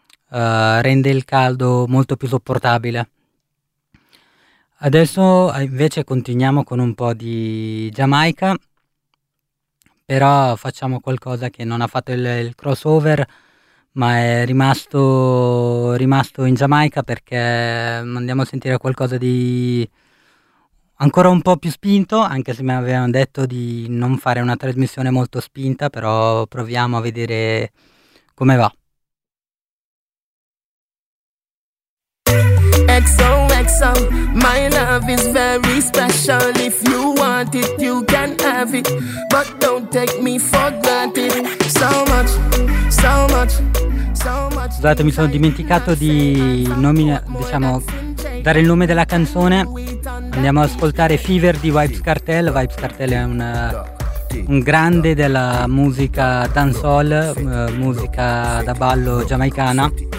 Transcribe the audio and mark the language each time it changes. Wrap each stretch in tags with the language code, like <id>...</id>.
<it>Rende il caldo molto più sopportabile. Adesso invece continuiamo con un po' di Giamaica, però facciamo qualcosa che non ha fatto il crossover, ma è rimasto in Giamaica, perché andiamo a sentire qualcosa di ancora un po' più spinto, anche se mi avevano detto di non fare una trasmissione molto spinta, però proviamo a vedere come va.</it> <en>XOXO, my love is very special. If you want it, you can have it. But don't take me for granted. So much, so much, so much.</en> <it>Scusate, mi sono dimenticato di dare il nome della canzone. Andiamo ad ascoltare Fever di Vibes Cartel. Vibes Cartel è un un grande della musica dancehall, musica da ballo giamaicana.</it>